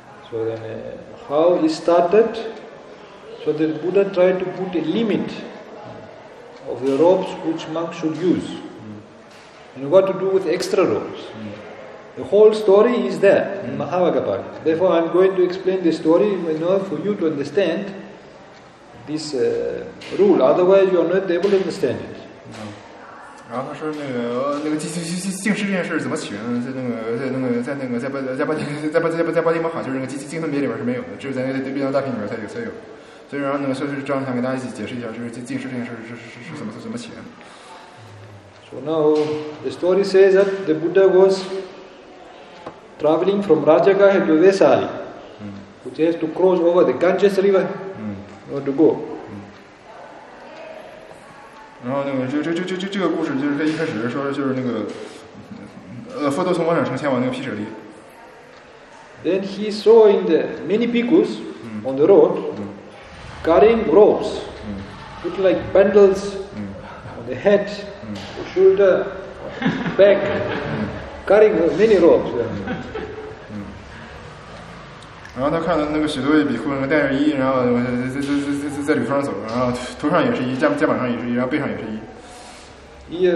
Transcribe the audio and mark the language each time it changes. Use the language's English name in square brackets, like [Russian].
[English] So then, how it started? So the Buddha tried to put a limit of the robes which monks should use. And what to do with extra robes. The whole story is there in Mahavagavad. Therefore, I'm going to explain the story in order for you to understand this rule, otherwise you are not able to understand it. [Chinese] 然后他说那个净失这件事怎么起源呢？在巴提摩哈，就是那个净分别里边是没有的，只有在那个毗卢大品里边才有。所以然后那个就是这样想给大家一起解释一下，就是净失这件事是怎么起源的。 [English] So now the story says that the Buddha was traveling from Rajagaha to Vaisali, which has to cross over the Ganges River. Where to go? [Chinese] 然后那个这个故事就是在一开始说就是那个，佛陀从王舍城前往那个毗舍离。 [English] Then he saw in the many bhikkhus on the road carrying robes, look like bundles on the head, or shoulder, back, carrying many robes. [Chinese] 然后他看到那个许多位比库带着衣，然后在旅途上走，然后头上也是衣，肩膀上也是衣，然后背上也是衣。